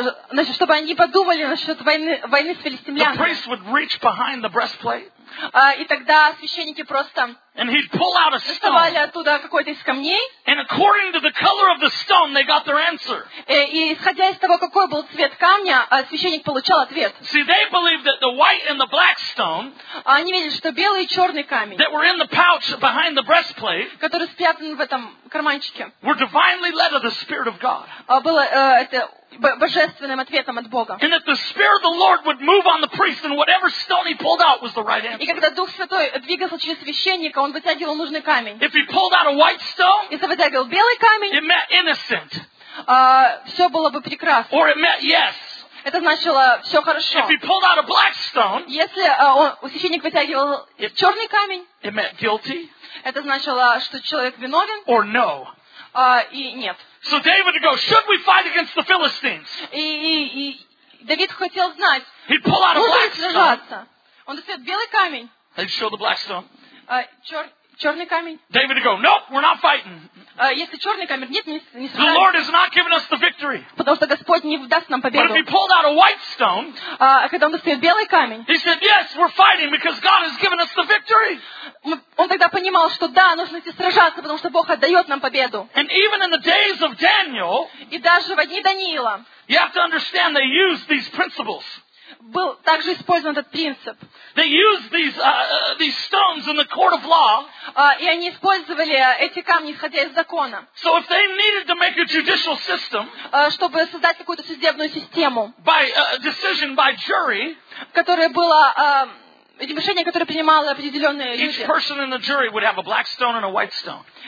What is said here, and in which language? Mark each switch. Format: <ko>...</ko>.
<ru>Значит, чтобы они подумали насчет войны с филистимлянами.</ru> <en>The priest would reach behind the breastplate.</en> <ru>И тогда священники просто доставали оттуда какой-то из камней.</ru> <en>And according to the color of the stone, they got their answer.</en> <ru>И исходя из того, какой был цвет камня, священник получал ответ.</ru> <en>See, they believed that the white and the black stone,</en> <ru>они видели, что белый и черный камень,</ru> <en>that were in the pouch behind the breastplate,</en> <ru>который спрятан в этом карманчике,</ru> <en>were divinely led of the Spirit of God.</en> <ru>Было это божественным ответом от Бога.</ru> <en>And that the Spirit of the Lord would move on the priest, and whatever stone he pulled out was the right answer.</en> <ru>И когда Дух Святой двигался через священника, он вытягивал нужный камень.</ru> <en>If he pulled out a white stone,</en> <ru>если вытягивал белый камень,</ru> <en>it meant innocent.</en> <ru>Все было бы прекрасно.</ru> <en>Or it meant yes.</en> <ru>Это значило все хорошо.</ru> <en>If he pulled out a black stone,</en> <ru>если священник вытягивал черный камень,</ru> <en>it meant guilty.</en> <ru>Это значило, что человек виновен.</ru> <en>Or no.</en> <ru>И нет.</ru> <en>So David would go, should we fight against the Philistines?</en> <ru>И Давид хотел знать.</ru> <en>He'd pull out a black stone.</en> <ru>Он достает белый камень.</ru> <en>He'd show the black stone.</en> <ru>Черный камень.</ru> <en>David would go, nope, we're not fighting.</en> <ru>Если черный камень, нет, не сражаться.</ru> <en>The Lord has not given us the victory.</en> <ru>Потому что Господь не даст нам победу.</ru> <en>But if he pulled out a white stone,</en> <ru>когда он достает белый камень,</ru> <en>he said, yes, we're fighting because God has given us the victory.</en> <ru>Он тогда понимал, что да, нужно идти сражаться, потому что Бог отдает нам победу.</ru> <en>And even in the days of Daniel,</en> <ru>и даже в дни Даниила,</ru> <en>you have to understand they used these principles.</en> <ru>Был также использован этот принцип.</ru> <en>They used these stones in the court of law.</en> <ru>И они использовали эти камни, исходя из закона.</ru> <en>So if they needed to make a judicial system,</en> <ru>чтобы создать какую-то судебную систему,</ru> <en>by decision by jury,</en> <ru>которая была решение, которое принимало определенные люди.</ru> <en>Each person in the jury would have a black stone and a white stone.</en>